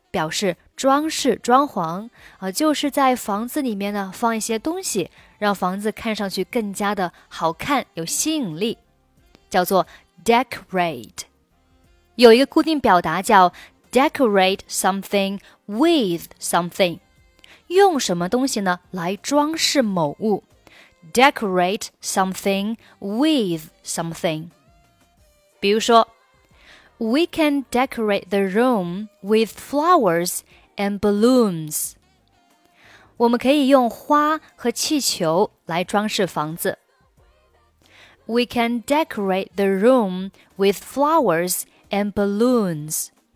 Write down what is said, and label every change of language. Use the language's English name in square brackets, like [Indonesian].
[Chinese] 表示装饰、装潢、就是在房子里面呢放一些东西，让房子看上去更加的好看，有吸引力，叫做 decorate. 有一个固定表达叫 decorate something with something. 用什么东西呢来装饰某物。 [English] Decorate something with something. 比如说 We can decorate the room with flowers and balloons. [Chinese] 我们可以用花和气球来装饰房子。 [English] We can decorate the room with flowers and balloons.